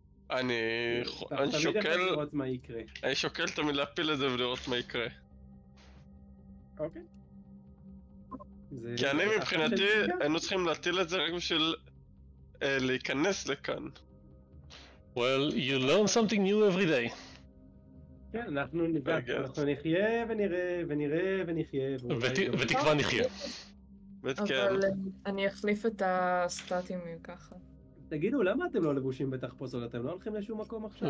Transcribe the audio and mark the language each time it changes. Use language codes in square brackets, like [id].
[he] אני שוקל... אני שוקל תמיד להפיל את זה ולראות מה יקרה. אוקיי. כי אני מבחינתי, היינו צריכים להטיל את זה רק בשביל להיכנס לכאן. [en] Well, you learn something new every day. [he] כן, אנחנו נדע, אנחנו נחיה ונראה ותקווה נחיה. אבל אני אחליף את הסטטים אם ככה. תגידו, למה אתם לא לבושים בתחפושות? אתם לא הולכים לשום מקום עכשיו?